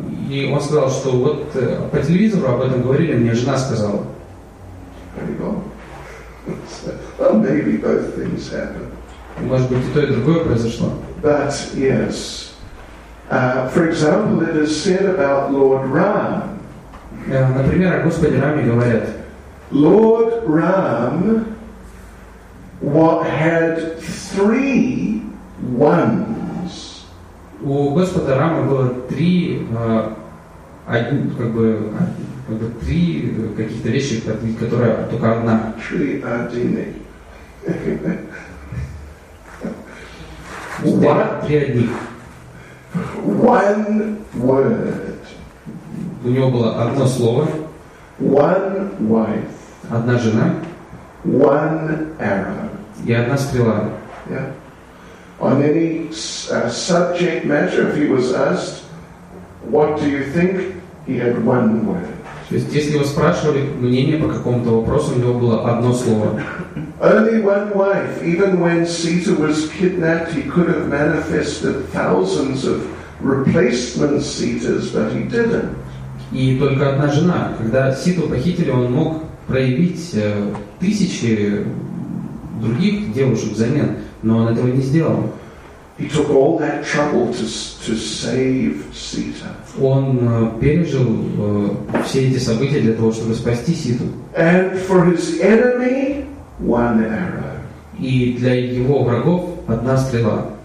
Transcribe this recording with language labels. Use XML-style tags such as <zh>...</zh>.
<ru>И он сказал, что вот по телевизору об этом говорили, мне жена сказала.</ru> <en>Well, maybe both things happened.</en> <ru>Может быть, и то, и другое произошло.</ru> <en>But yes, for example, it is said about Lord Ram.</en> <ru>Например, о Господе Раме говорят.</ru> <en>Lord Ram had three ones.</en> <ru>У Господа Рамы было три каких-то вещи, которые только одна. Три одни. Три одни.</ru> <en>One word.</en> <ru>У него было одно слово.</ru> <en>One wife.</en> <ru>Одна жена.</ru> <en>One arrow.</en> <ru>И одна стрела.</ru> <en>On any subject matter, if he was asked, what do you think, he had one word.</en> <ru>То есть, если его спрашивали мнение по какому-то вопросу, у него было одно слово.</ru> <en>Only one wife. Even when Sita was kidnapped, he could have manifested thousands of replacement Sitas, but he didn't.</en> <ru>И только одна жена. Когда Ситу похитили, он мог проявить тысячи других девушек взамен. Но он этого не сделал.</ru> <en>He took all that trouble to save Sita.</en> <ru>Он пережил все эти события для того, чтобы спасти Ситу.</ru> <en>And for his enemy, one arrow.</en> <ru>И для его врагов одна стрела.</ru>